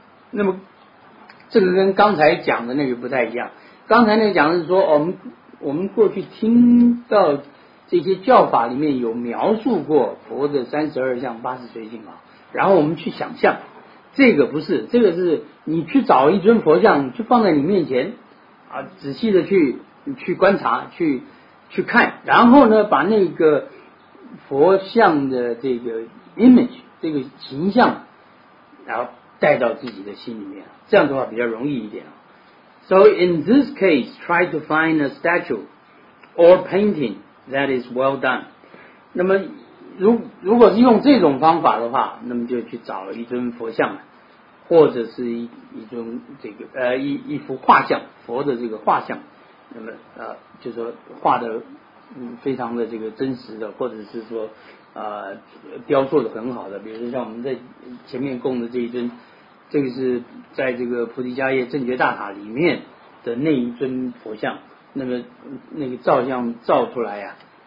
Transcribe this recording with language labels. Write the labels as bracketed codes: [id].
[zh] 那么这个跟刚才讲的那个不太一样，刚才那个讲的是说我们过去听到这些教法里面有描述过佛的三十二相八十随行啊，然后我们去想象，这个不是，这个是你去找一尊佛像就放在你面前啊，仔细的去观察，去看，然后呢把那个佛像的这个 image 这个形象然后带到自己的心里面，这样的话比较容易一点。 [en] So in this case try to find a statue or painting that is well done. [zh] 那么如果是用这种方法的话，那么就去找一尊佛像，或者是 一尊这个一幅画像，佛的这个画像，那么就是说画的非常的这个真实的，或者是说雕塑的很好的，比如说像我们在前面供的这一尊，这个是在这个菩提迦叶正觉大塔里面的那一尊佛像，那么那个照相照出来呀